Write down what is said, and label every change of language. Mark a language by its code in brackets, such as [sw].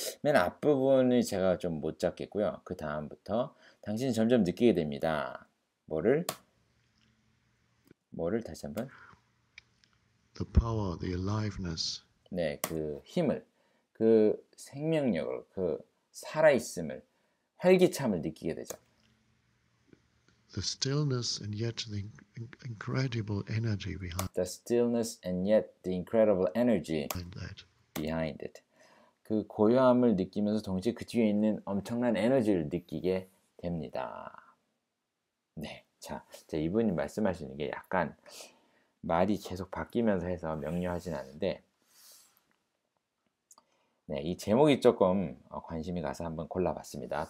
[ko] 맨 앞부분을 제가 좀 못 잡겠고요. 그 다음부터 당신이 점점 느끼게 됩니다. 뭐를? 뭐를 다시 한번? [en] The power, the aliveness. [ko] 네, 그 힘을, 그 생명력을, 그 살아있음을, 활기참을 느끼게 되죠. [en] The stillness and yet the incredible energy behind it. The stillness and yet the incredible energy behind it. [ko] 그 고요함을 느끼면서 동시에 그 뒤에 있는 엄청난 에너지를 느끼게 됩니다. 네, 자, 이제 이분이 말씀하시는 게 약간 말이 계속 바뀌면서 해서 명료하진 않은데, 네, 이 제목이 조금 관심이 가서 한번 골라봤습니다.